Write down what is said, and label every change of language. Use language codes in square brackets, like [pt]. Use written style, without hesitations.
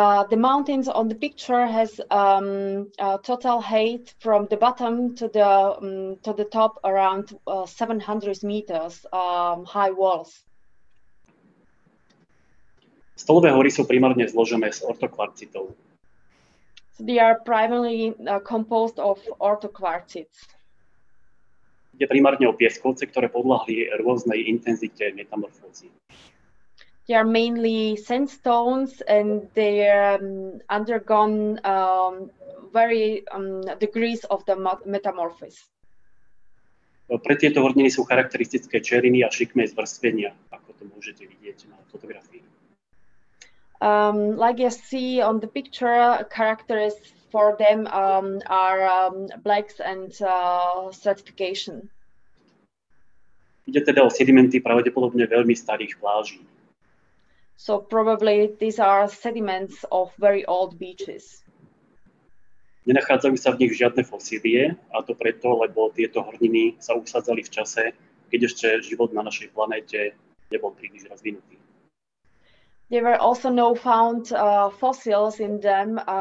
[en] The mountains on the picture has a total height from the bottom to the top around 700 meters high walls. [sk] Stolové hory sú primárne zložené z ortokvarcitov. [en] So they are primarily composed of ortokvarcits. [sk] Je primárne o pieskovce, ktoré podľahli rôznej intenzite metamorfózy. [en] They are mainly sandstones and they are undergone very degrees of the metamorphosis. [sk] Pre tieto horniny sú charakteristické čeriny a šikmé zvrstvenia, ako to môžete vidieť na fotografii. [en] Like you see on the picture, characters for them are blacks and stratification. [sk] Ide teda o sedimenty pravdepodobne veľmi starých pláží. [en] So probably these are sediments of very old beaches. [sk] Nenachádzajú sa v nich žiadne fosílie, a to preto, lebo tieto horniny sa usadzali v čase, keď ešte život na našej planéte nebol príliš rozvinutý. [en] There were also no found fossils in them.